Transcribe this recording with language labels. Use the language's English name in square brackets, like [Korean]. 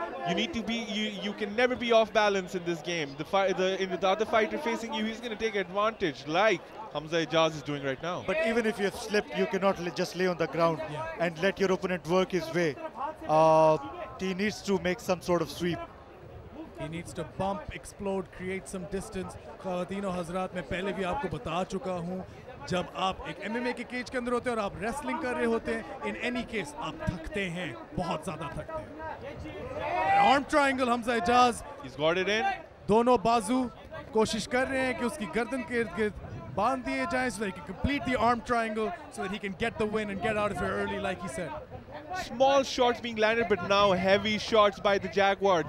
[English] You need to be, you can never be off balance in this game. The other fighter facing you, he's going to take advantage, like Hamza Ijaz is doing right now. But even if you have slipped, you cannot just lay on the ground and let your opponent work his way. He needs to make some sort of sweep. He needs to bump, explode, create some distance. [Urdu] خواتین اور حضرات, میں پہلے بھی آپ کو بتا چکا ہوں. جب آپ ایک MMA کے cage کے اندر ہوتے ہیں اور آپ wrestling کر رہے ہوتے ہیں, [English] in any case, [Urdu] آپ تھکتے ہیں, بہت زیادہ تھکتے ہیں. [English] Arm triangle, Hamza Ijaz. He's got it in. [Urdu] دونو بازو کوشش کر رہے ہیں کہ اس کی گردن کے ارد گرد بند دیے جائے [English] so that he can complete the arm triangle so that he can get the win and get out of here early, like he said. Small shots being landed, but now heavy shots by the Jaguar.